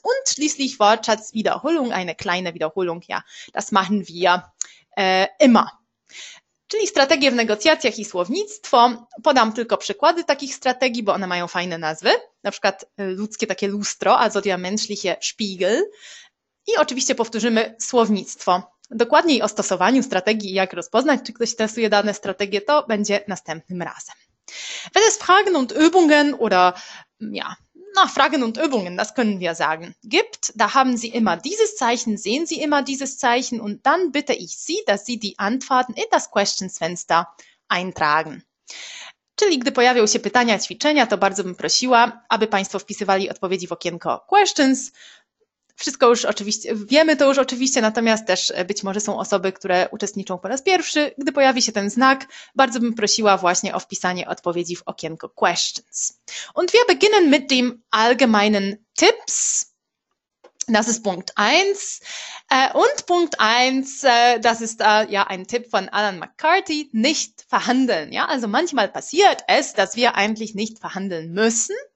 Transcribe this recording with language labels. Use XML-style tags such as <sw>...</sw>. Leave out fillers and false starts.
<de>Und schließlich Wortschatzwiederholung, eine kleine Wiederholung. Ja, das machen wir immer.</de> <pl>Czyli strategie w negocjacjach i słownictwo. Podam tylko przykłady takich strategii, bo one mają fajne nazwy. Na przykład ludzkie takie lustro,</pl> <de>also der menschliche Spiegel.</de> <pl>I oczywiście powtórzymy słownictwo. Dokładniej o stosowaniu strategii i jak rozpoznać, czy ktoś testuje dane strategie, to będzie następnym razem.</pl> <de>Wenn es Fragen und Übungen oder, ja, na, Fragen und Übungen, das können wir sagen, gibt, da haben Sie immer dieses Zeichen, sehen Sie immer dieses Zeichen und dann bitte ich Sie, dass Sie die Antworten in das Questions-Fenster eintragen.</de> <pl>Czyli gdy pojawią się pytania, ćwiczenia, to bardzo bym prosiła, aby Państwo wpisywali odpowiedzi w okienko questions. Wszystko już oczywiście, wiemy to już oczywiście, natomiast też być może są osoby, które uczestniczą po raz pierwszy. Gdy pojawi się ten znak, bardzo bym prosiła właśnie o wpisanie odpowiedzi w okienko questions.</pl> <de>Und wir beginnen mit dem allgemeinen Tipps. Das ist Punkt 1. Und Punkt 1, das ist ja ein Tipp von Alan McCarthy, nicht verhandeln. Ja, also manchmal passiert es, dass wir eigentlich nicht verhandeln müssen.</de>